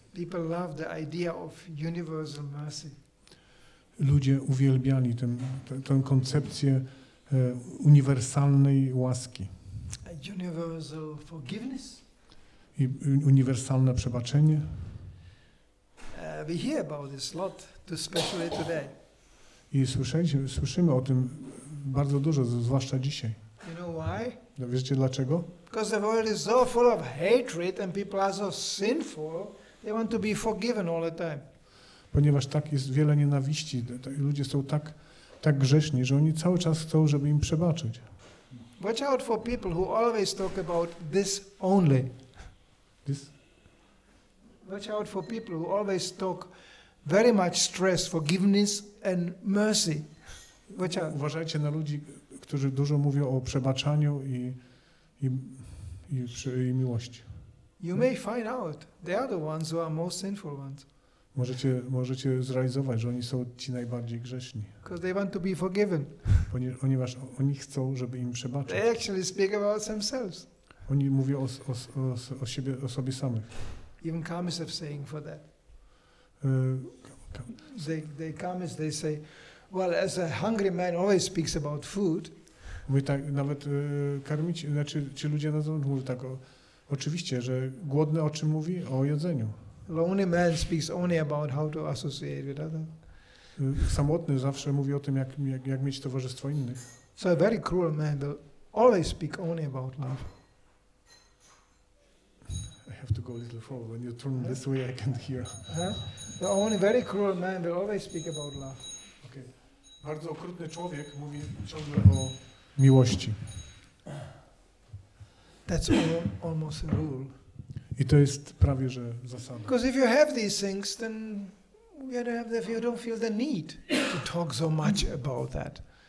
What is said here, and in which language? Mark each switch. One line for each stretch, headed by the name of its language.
English: People love the idea of universal mercy.
Polish: Ludzie uwielbiali tę koncepcję uniwersalnej łaski.
English: Universal forgiveness.
Polish: I uniwersalne przebaczenie.
English: We hear about this lot, especially today.
Polish: I słyszymy o tym bardzo dużo, zwłaszcza dzisiaj.
English: You know why?
Polish: Wiecie dlaczego?
English: Because the world is so full of hatred and people are so sinful, they want to be forgiven all the time.
Polish: Ponieważ tak jest wiele nienawiści, ludzie są tak grzeszni, że oni cały czas chcą, żeby im przebaczyć.
English: Watch out for people who always talk about this only. This? Watch out for people who always talk very much stress, forgiveness and mercy. Watch out.
Polish: Uważajcie na ludzi, którzy dużo mówią o przebaczaniu i miłości.
English: You may find out they are the ones who are most sinful ones.
Polish: Możecie zrealizować, że oni są ci najbardziej grzeszni.
English: Because they want to be forgiven.
Polish: Ponieważ oni chcą, żeby im przebaczyć.
English: They actually speak about themselves.
Polish: Oni mówią o siebie, o sobie samych.
English: Even Kamis are saying for that. They Kamis, they say, well, as a hungry man always speaks about food.
Polish: Mówi tak, nawet karmić, znaczy ci ludzie na zewnątrz mówią tak, oczywiście, że głodny o czym mówi? O jedzeniu.
English: Lonely man speaks only about how to associate with others.
Polish: Samotny zawsze mówi o tym, jak mieć towarzystwo innych.
English: So a very cruel man will always speak only about love. I have to go a little forward. When you turn this way, I can hear. The only very cruel man will always speak about love. Okay.
Polish: Bardzo okrutny człowiek mówi ciągle o miłości.
English: That's almost a rule.
Polish: I to jest prawie że zasada.
English: Because if you have these things, then you don't feel the need to talk so much about that.